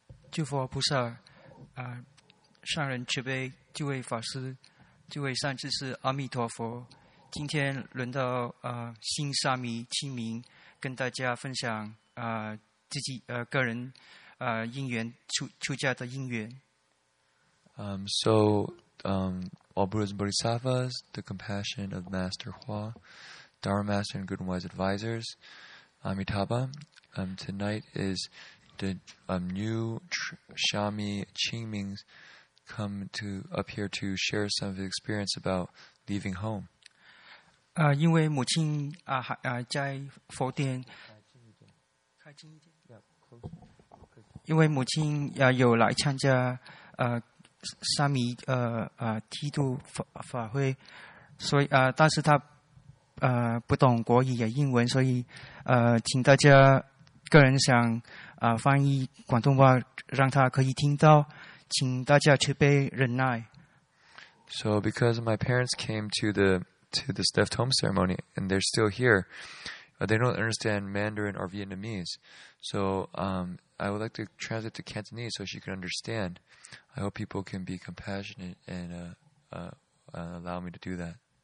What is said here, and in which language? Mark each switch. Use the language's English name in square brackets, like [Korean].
[Chinese] 诸佛菩萨，上人慈悲，诸位法师，诸位善知识，阿弥陀佛。今天轮到新沙弥清明跟大家分享自己个人因缘出家的因缘。 [English] All Buddhas and Bodhisattvas, the compassion of Master Hua, Dharma Master and good and wise advisors, Amitabha. Tonight is. The new Shami Qingming come to up here to share some of his experience about leaving home. [Chinese] 因为母亲在佛殿，开近一点。因为母亲有来参加沙弥剃度法会，所以但是她不懂国语也英文，所以请大家个人想。翻译广东话，让他可以听到，请大家慈悲忍耐。 [English] So because my parents came to the stepped home ceremony and they're still here, they don't understand Mandarin or Vietnamese. So I would like to translate to Cantonese so she can understand. I hope people can be compassionate and allow me to do that.